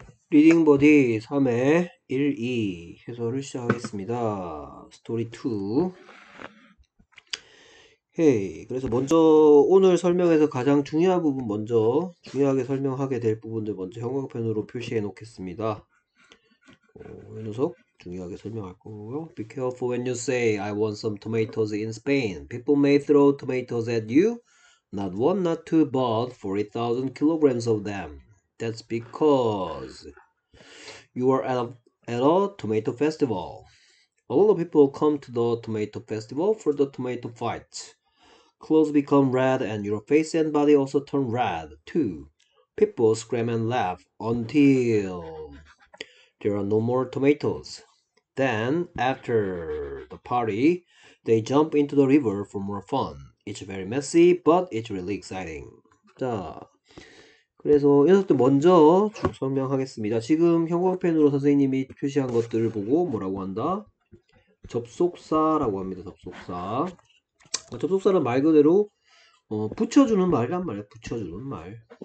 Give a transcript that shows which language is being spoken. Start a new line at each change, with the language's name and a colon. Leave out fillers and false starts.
Korean: 리딩 버디 3회 1, 2 해설을 시작하겠습니다. 스토리 2. 헤이, 그래서 먼저 오늘 설명해서 가장 중요한 부분 먼저 중요하게 설명하게 될 부분들 먼저 형광펜으로 표시해 놓겠습니다. 이 녀석 중요하게 설명할 거고요.
English: Be careful when you say I want some tomatoes in Spain. People may throw tomatoes at you. Not one, not two, but 40,000 kilograms of them. That's because you are at a tomato festival. A lot of people come to the tomato festival for the tomato fight. Clothes become red and your face and body also turn red too. People scream and laugh until there are no more tomatoes. Then, after the party, they jump into the river for more fun. It's very messy, but it's really exciting. 자.
Korean: 그래서 여기서부터 먼저 쭉 설명하겠습니다. 지금 형광펜으로 선생님이 표시한 것들을 보고 뭐라고 한다? 접속사라고 합니다. 접속사. 접속사는 말 그대로 붙여주는 말이란 말이야. 붙여주는 말.